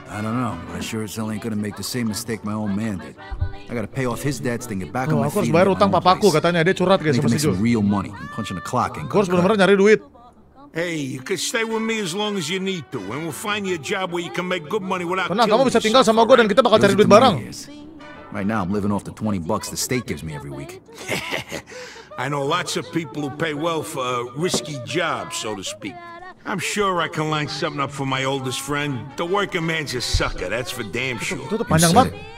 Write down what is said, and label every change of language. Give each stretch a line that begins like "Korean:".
English: I don't know, but I sure as hell ain't gonna make the same mistake my old man did. I gotta pay off his debts, then get back on my feet.
Indonesian: Harus bayar utang papaku, katanya dia curhat, guys.
English: Make some real money. I'm punching the clock and
Indonesian: harus benar-benar nyari duit.
English: Hey, you can stay with me as long as you need to, and we'll find you a job where you can make good money without.
Indonesian: Tenang, kamu bisa tinggal sama gue dan kita bakal cari duit bareng.
English: Right now, I'm living off the 20 bucks the state gives me every week. I know lots of people who pay well for a risky job, so to speak. I'm sure I can line something up for my oldest friend. The working man's a sucker, that's for damn sure.
Indonesian: Itu panjang banget.